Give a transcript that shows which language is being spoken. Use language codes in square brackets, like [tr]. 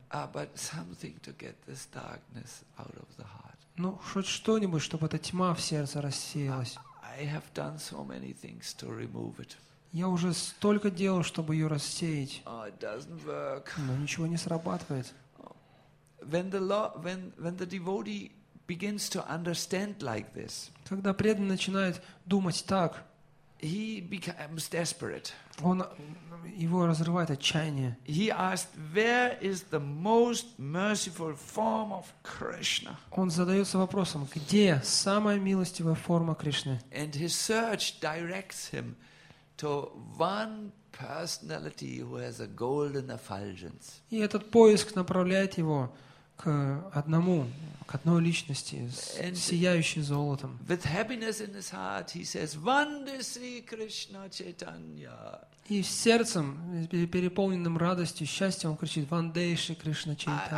[en] But something to get this darkness out of the heart. [ru] Ну, хоть что-нибудь, чтобы эта тьма в сердце рассеялась. [en] I have done so many things to remove it. [ru] Я уже столько делал, чтобы ее рассеять. [en] Oh, it doesn't work. [ru] Но ничего не срабатывает. [en] When the devotee begins to understand like this, [ru] когда преданный начинает думать так, [en] he becomes desperate. [ru] Он его разрывает отчаяние. [en] He asked, "Where is the most merciful form of Krishna?" [ru] Он задается вопросом, где самая милостивая форма Кришны. [en] And his search directs him to one personality who has a golden effulgence. [ru] И этот поиск направляет его к одной личности, сияющей золотом. [en] With happiness in his heart, he says, [sa] "Vande Sri Krishna Chaitanya." [ru] И сердцем, переполненным радостью, счастьем, он кричит: [sa] "Vande Sri Krishna Chaitanya."